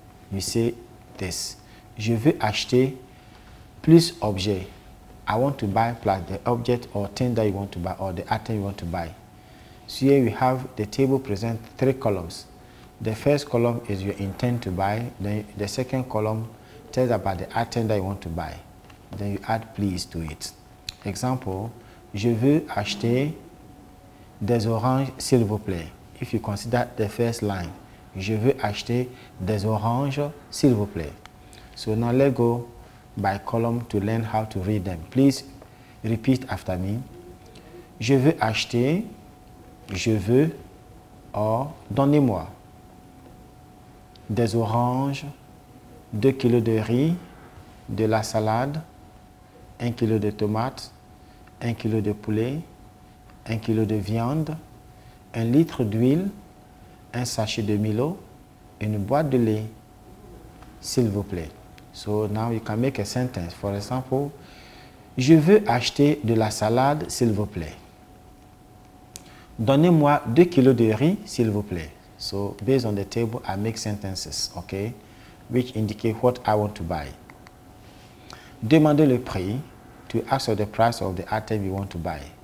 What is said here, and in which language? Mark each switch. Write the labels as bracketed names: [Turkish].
[English] You say this. [French] Je veux acheter plus objet. [English] I want to buy plus the object or thing that you want to buy or the item you want to buy. So here we have the table present 3 columns. The first column is your intent to buy. Then the second column tells about the item that you want to buy. Then you add please to it. [French] Example, je veux acheter des oranges, s'il vous plaît. [English] If you consider the first line, [French] je veux acheter des oranges, s'il vous plaît. [English] So now let's go by column to learn how to read them. Please repeat after me. [French] Je veux acheter, je veux, or donnez-moi. Des oranges, 2 kg de riz, de la salade, 1 kg de tomates, 1 kg de poulet, 1 kg de viande, 1 litre d'huile, 1 sachet de Milo, une boîte de lait, s'il vous plaît. [English] So now you can make a sentence. For example, [French] je veux acheter de la salade, s'il vous plaît. Donnez-moi 2 kg de riz, s'il vous plaît. [English] So, based on the table, I make sentences, okay, which indicate what I want to buy. [French] Demander le prix, [English] to ask for the price of the item you want to buy.